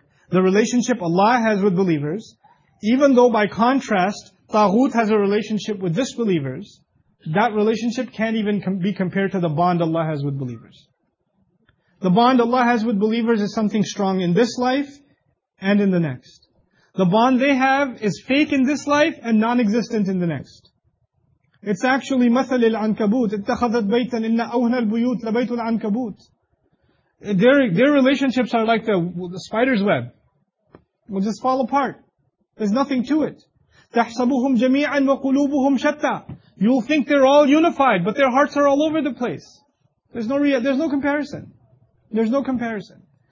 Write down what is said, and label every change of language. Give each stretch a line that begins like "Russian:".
English: The relationship Allah has with believers, even though by contrast Tahut has a relationship with disbelievers, that relationship can't even be compared to the bond Allah has with believers. The bond Allah has with believers is something strong in this life and in the next. The bond they have is fake in this life and non-existent in the next. It's actually
Arabic: مَثَلِ الْعَنْكَبُوتِ اتَّخَذَتْ بَيْتًا إِنَّ أَوْهْنَ الْبُيُوتِ لَبَيْتُ الْعَنْكَبُوتِ.
English: Their relationships are like the spider's web. Will just fall apart. There's nothing to it.
Arabic: تَحْسَبُهُمْ جَمِيعًا وَقُلُوبُهُمْ شَتَّى.
English: You'll think they're all unified, but their hearts are all over the place. There's no comparison. There's no comparison.